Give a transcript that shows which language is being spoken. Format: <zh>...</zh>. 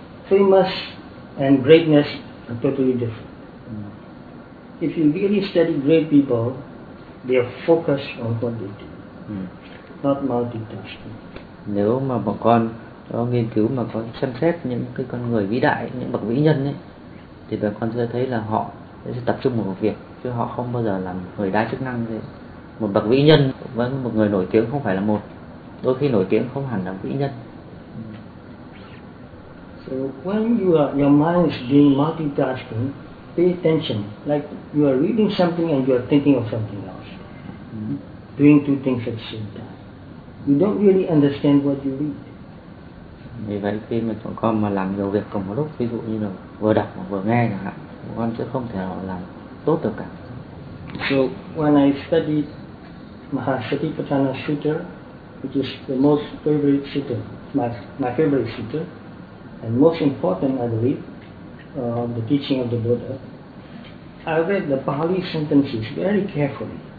<en>Famous and greatness are totally different. If you really study great people, they are focused on what they do, not multitasking.</en> <vi>Nếu mà bọn con có nghiên cứu mà có xem xét những cái con người vĩ đại, những bậc vĩ nhân ấy, thì bọn con sẽ thấy là họ sẽ tập trung vào một việc, chứ họ không bao giờ làm người đa chức năng. Thế một bậc vĩ nhân với một người nổi tiếng không phải là một, đôi khi nổi tiếng không hẳn là vĩ nhân.</vi> <en>So when your mind is doing multitasking, pay attention, like you are reading something and you are thinking of something else. Doing two things at the same time. You don't really understand what you read.</en> <vi>Vì vậy khi mà bọn con mà làm nhiều việc cùng một lúc, ví dụ như là vừa đọc mà vừa nghe chẳng hạn, bọn con sẽ không thể nào làm tốt được cả.</vi> <en>So when I studied Mahasatipatthana Sutta, which is the most favorite sutta, my favorite sutta, and most important, I believe, of the teaching of the Buddha, I read the Pali sentences very carefully.</en>